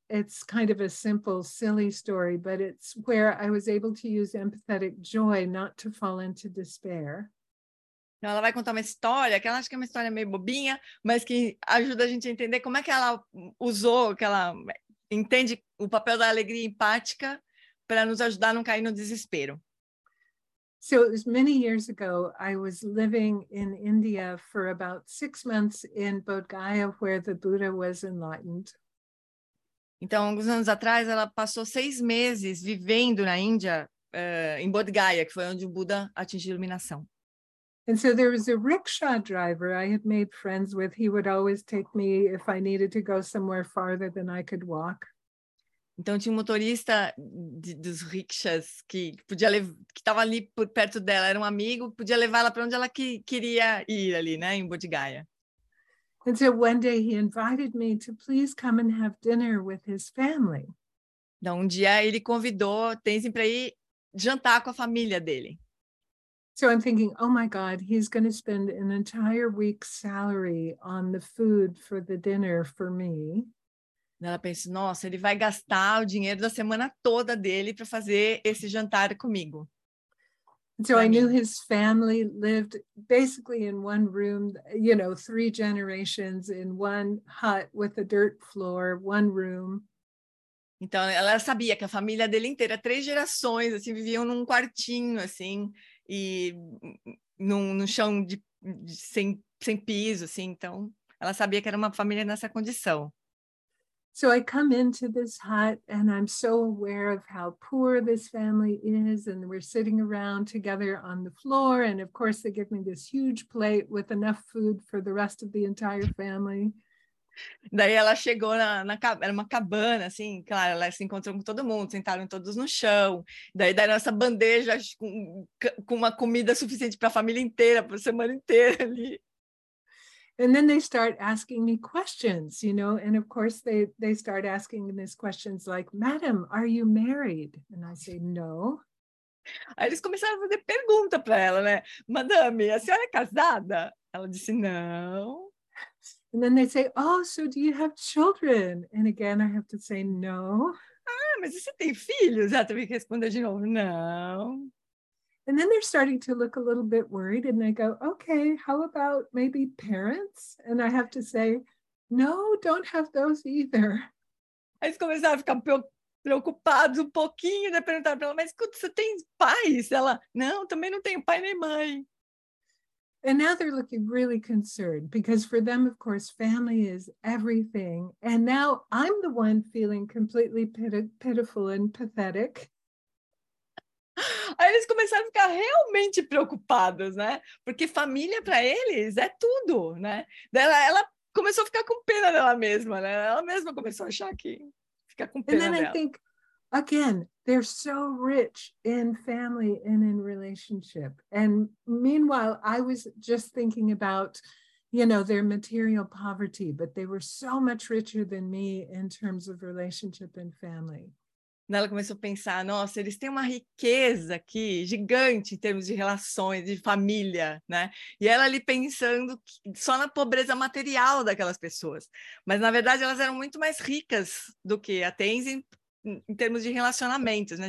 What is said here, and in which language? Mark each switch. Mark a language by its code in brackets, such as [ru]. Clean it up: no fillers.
[en] It's kind of a simple, silly story, but it's where I was able to use empathetic joy not to fall into despair. [pt] Então, ela vai contar uma história, que ela acha que é uma história meio bobinha, mas que ajuda a gente a entender como é que ela usou, que ela entende o papel da alegria empática para nos ajudar a não cair no desespero. [en] So it was many years ago, I was living in India for about 6 months in Bodh Gaya, where the Buddha was enlightened. [pt] Então, alguns anos atrás, ela passou 6 meses vivendo na Índia, em Bodh Gaya, que foi onde o Buda atingiu a iluminação. [en] And so there was a rickshaw driver I had made friends with. He would always take me if I needed to go somewhere farther than I could walk. [pt] Então tinha um motorista dos rickshaws que podia que estava ali por perto dela, era um amigo, podia levá-la para onde ela queria ir ali, né, em Bodh Gaya. [en] And so one day he invited me to please come and have dinner with his family. [pt] Então um dia ele convidou Tenzin para ir jantar com a família dele. [en] So I'm thinking, oh my God, he's going to spend an entire week's salary on the food for the dinner for me. [pt] Ela pensa, nossa, ele vai gastar o dinheiro da semana toda dele para fazer esse jantar comigo. [en] So I knew his family lived basically in one room, you know, 3 generations in one hut with a dirt floor, one room. [pt] Então ela sabia que a família dele inteira, 3 gerações, assim, viviam num quartinho, assim, e no chão sem piso, assim. Então ela sabia que era uma família nessa condição. [en] So I come into this hut and I'm so aware of how poor this family is, and we're sitting around together on the floor, and of course they give me this huge plate with enough food for the rest of the entire family. [pt] Daí ela chegou na era uma cabana, assim, claro, ela se encontrou com todo mundo, sentaram todos no chão. Daí deram essa bandeja com uma comida suficiente para a família inteira, para a semana inteira ali. [en] And then they start asking me questions, you know, and of course they start asking these questions like, Madam, are you married? And I say, no. [pt] Aí eles começaram a fazer pergunta para ela, né? Madame, a senhora é casada? Ela disse, não. [en] And then they say, oh, so do you have children? And again, I have to say, no. [pt] Ah, mas você tem filhos? Ela teve que responder de novo, não. [en] And then they're starting to look a little bit worried, and they go, okay, how about maybe parents? And I have to say, no, don't have those either. [pt] Aí eles começaram a ficar preocupados um pouquinho, né? Perguntaram para ela, mas escuta, você tem pais? Ela, não, também não tenho pai nem mãe. [en] And now they're looking really concerned, because for them, of course, family is everything. And now I'm the one feeling completely pitiful and pathetic. [pt] Aí eles começaram a ficar realmente preocupados, né? Porque família para eles é tudo, né? Ela começou a ficar com pena dela mesma, né? Ela mesma começou a achar que fica com pena dela. [en] And then I think, again, they're so rich in family and in relationship. And meanwhile, I was just thinking about, you know, their material poverty, but they were so much richer than me in terms of relationship and family. [pt] Ela começou a pensar, nossa, eles têm uma riqueza aqui gigante em termos de relações, de família, né? E ela ali pensando só na pobreza material daquelas pessoas. Mas, na verdade, elas eram muito mais ricas do que a Tenzin em termos de relacionamentos, né?